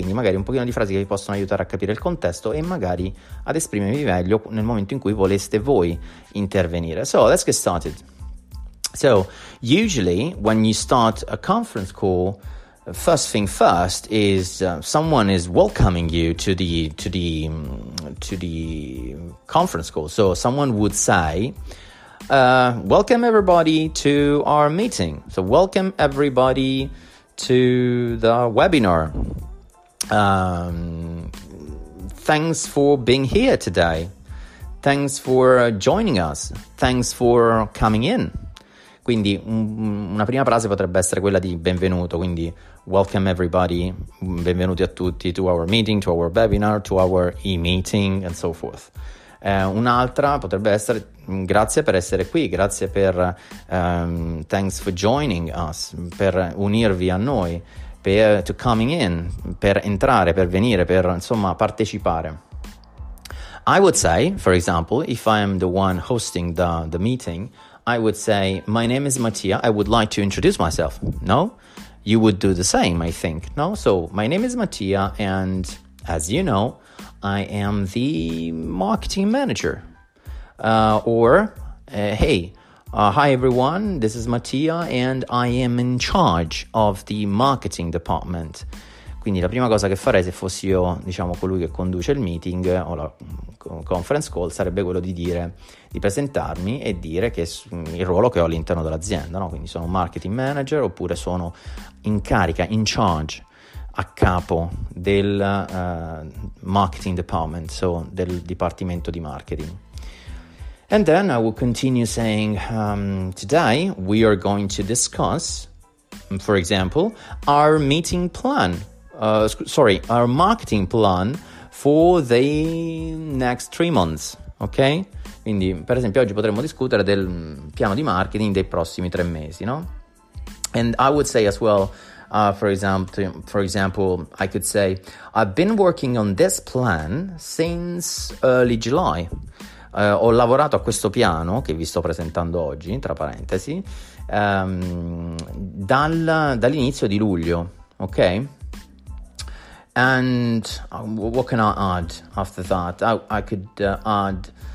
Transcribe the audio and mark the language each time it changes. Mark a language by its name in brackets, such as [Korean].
[Italian] Quindi magari un pochino di frasi che vi possono aiutare a capire il contesto e magari ad esprimervi meglio nel momento in cui voleste voi intervenire. [English] So let's get started. So usually when you start a conference call, first thing first is someone is welcoming you to the conference call. So someone would say, welcome everybody to our meeting. So welcome everybody to the webinar. Thanks for being here today. Thanks for joining us. Thanks for coming in. [Italian] Quindi una prima frase potrebbe essere quella di benvenuto, quindi [English] welcome everybody, [Italian] benvenuti a tutti [English] to our meeting, to our webinar, to our e-meeting and so forth. [Italian] Un'altra potrebbe essere: grazie per essere qui, grazie per [English] thanks for joining us, [Italian] per unirvi a noi, per [English] to coming in, [Italian] per entrare, per venire, per insomma partecipare. [English] I would say, for example, if I am the one hosting the meeting, I would say, my name is Mattia, I would like to introduce myself. No? You would do the same, I think. No? So, my name is Mattia, and as you know, I am the marketing manager. Hi everyone, this is Mattia, and I am in charge of the marketing department. [Italian] Quindi la prima cosa che farei, se fossi io, diciamo, colui che conduce il meeting o la conference call, sarebbe quello di dire, di presentarmi e dire che il ruolo che ho all'interno dell'azienda, no? Quindi sono marketing manager, oppure sono in carica, [English] in charge, [Italian] a capo del marketing department, so del dipartimento di marketing. [English] And then I will continue saying, today we are going to discuss, for example, our meeting plan. Our marketing plan for the next 3 months, ok? [Italian] Quindi, per esempio, oggi potremmo discutere del piano di marketing dei prossimi 3 mesi, no? [English] And I would say as well, for example, I could say, I've been working on this plan since early July. [Italian] Ho lavorato a questo piano che vi sto presentando oggi, tra parentesi, dall'inizio di luglio, ok? [English] And what can I add after that?